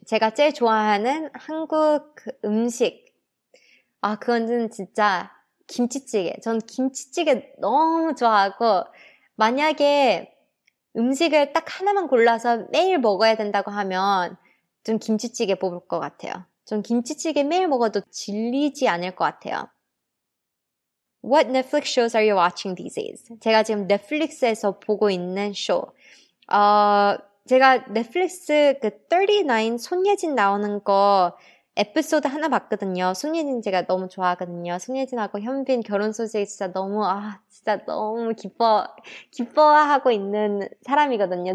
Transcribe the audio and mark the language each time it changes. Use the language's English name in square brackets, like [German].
[Korean] 제가 제일 좋아하는 한국 음식. 아, 그건 진짜 김치찌개. 전 김치찌개 너무 좋아하고 만약에 음식을 딱 하나만 골라서 매일 먹어야 된다고 하면 좀 김치찌개 뽑을 것 같아요. 전 김치찌개 매일 먹어도 질리지 않을 것 같아요. [English] What Netflix shows are you watching these days? [Korean] 제가 지금 넷플릭스에서 보고 있는 쇼. 제가 넷플릭스 그 39 손예진 나오는 거 에피소드 하나 봤거든요. 손예진 제가 너무 좋아하거든요. 손예진하고 현빈 결혼 소식 진짜 너무 아 진짜 너무 기뻐하고 있는 사람이거든요.